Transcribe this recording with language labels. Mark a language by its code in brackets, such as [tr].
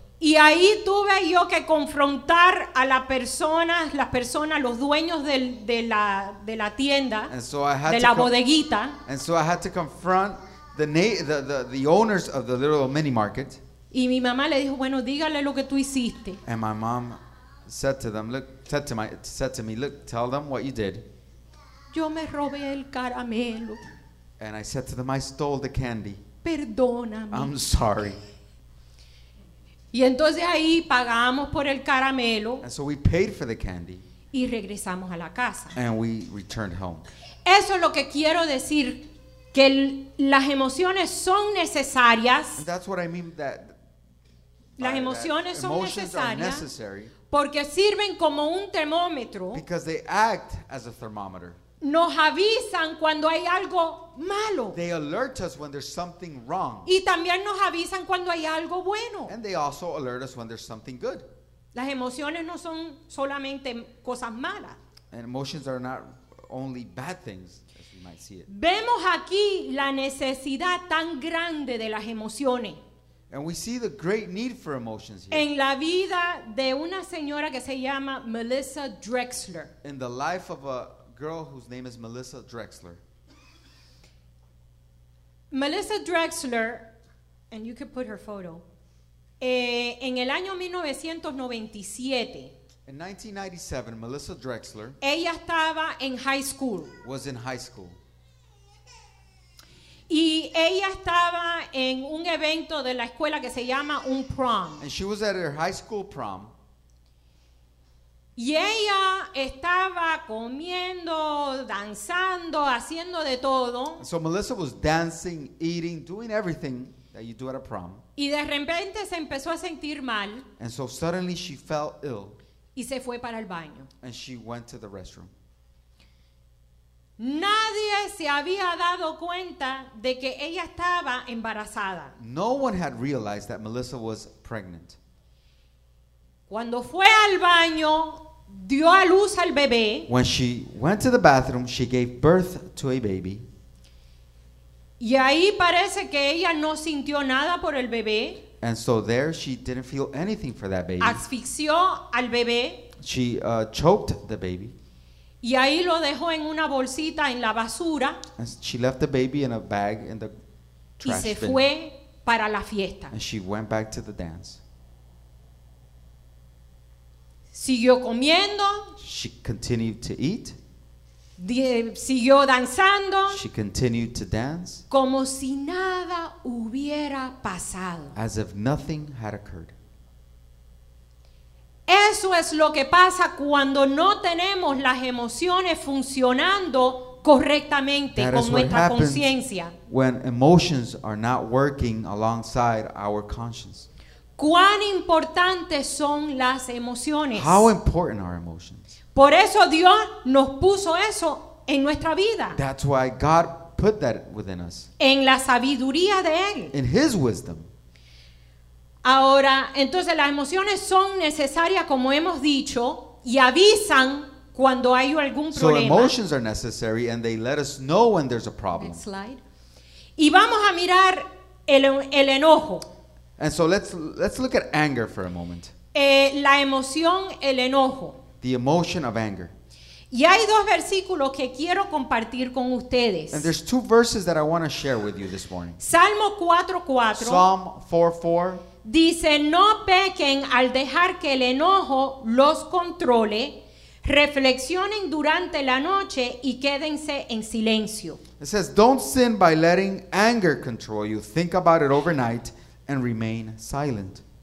[es] Y ahí tuve yo que confrontar a las personas, los dueños de la tienda, [en] and so I had [es] de [en] to [es] la bodeguita. [en] And so I had to confront the owners of the little mini market. [es] Y mi mamá le dijo, bueno, dígale lo que tú hiciste. [en] And my mom said to them, look, said to me, look, tell them what you did. [es] Yo me robé el caramelo. [en] And I said to them, I stole the candy. [es] Perdóname. [en] I'm sorry. [es] Y entonces ahí pagamos por el caramelo. [en] And so we paid for the candy. [es] Y regresamos a la casa. [en] And we returned home. [es] Eso es lo que quiero decir, que las emociones son necesarias. [en] And that's what I mean, that [es] las emociones [en] that [es] son necesarias. [en] Are necessary. [es] Porque sirven como un termómetro. [en] Because they act as a thermometer. [es] Nos avisan cuando hay algo malo. [en] They alert us when there's something wrong. [es] Y también nos avisan cuando hay algo bueno. [en] And they also alert us when there's something good. [es] Las emociones no son solamente cosas malas. [en] And emotions are not only bad things, as we might see it. [es] Vemos aquí la necesidad tan grande de las emociones. [en] And we see the great need for emotions here. [es] En la vida de una señora que se llama Melissa Drexler. [en] In the life of a girl whose name is Melissa Drexler. Melissa Drexler, and you can put her photo. [es] En el año 1997. [en] In 1997, Melissa Drexler. [es] Ella estaba en high school. [en] Was in high school. [es] Y ella estaba en un evento de la escuela que se llama un prom. [en] And she was at her high school prom. [es] Y ella estaba comiendo, danzando, haciendo de todo. [en] So Melissa was dancing, eating, doing everything that you do at a prom. [es] Y de repente se empezó a sentir mal. [en] And so suddenly she fell ill. [es] Y se fue para el baño. [en] And she went to the restroom. [es] Nadie se había dado cuenta de que ella estaba embarazada. [en] No one had realized that Melissa was pregnant. [es] Cuando fue al baño, dio a luz al bebé. [en] When she went to the bathroom, she gave birth to a baby. [es] Y ahí parece que ella no sintió nada por el bebé. [en] And so there she didn't feel anything for that baby. [es] Asfixió al bebé. [en] She choked the baby. [es] Y ahí lo dejó en una bolsita en la basura. [en] And she left the baby in a bag in the trash bin. [es] Y se fue para la fiesta. [en] And she went back to the dance. [es] Siguió comiendo. [en] She continued to eat. [es] Siguió danzando. [en] She continued to dance. [es] Como si nada hubiera pasado. [en] As if nothing had occurred. [es] Eso es lo que pasa cuando no tenemos las emociones funcionando correctamente con nuestra conciencia. [en] When emotions are not working alongside our conscience. [es] cuán importantes son las emociones. [en] How important are emotions? [es] Por eso Dios nos puso eso en nuestra vida. [en] That's why God put that within us. [es] En la sabiduría de Él. [en] In His wisdom. [es] Ahora, entonces las emociones son necesarias, como hemos dicho, y avisan cuando hay algún problema. [en] So emotions are necessary and they let us know when there's a problem. Next slide. [es] Y vamos a mirar el enojo. [en] And so let's look at anger for a moment. [es] La emoción, el enojo. [en] The emotion of anger. [es] Y hay dos versículos que quiero compartir con ustedes. [en] And there's two verses that I want to share with you this morning. [es] Salmo 4:4. [en] Psalm 4:4. [es] Dice, no pequen al dejar que el enojo los controle. Reflexionen durante la noche y quédense en silencio. [en] It says, don't sin by letting anger control you. Think about it overnight and remain silent.